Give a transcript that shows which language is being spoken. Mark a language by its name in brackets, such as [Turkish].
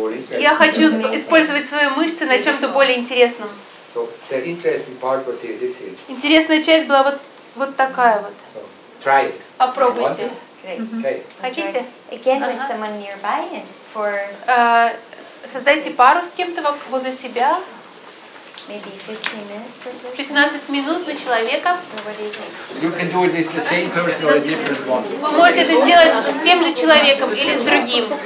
[Russian] Я хочу использовать свои мышцы на чем-то более интересном. [English] So the interesting part was here, this here. [Russian] Интересная часть была вот такая вот. [English] So, try it. [Russian] Попробуйте. Mm-hmm. [English] Okay. [Russian] Создайте пару с кем-то возле себя. [English] Maybe 15 minutes per person. [Russian] 15 минут на человека. [English] You can do it with the same person or a different one. [Russian] Вы можете это сделать с тем же человеком или с другим.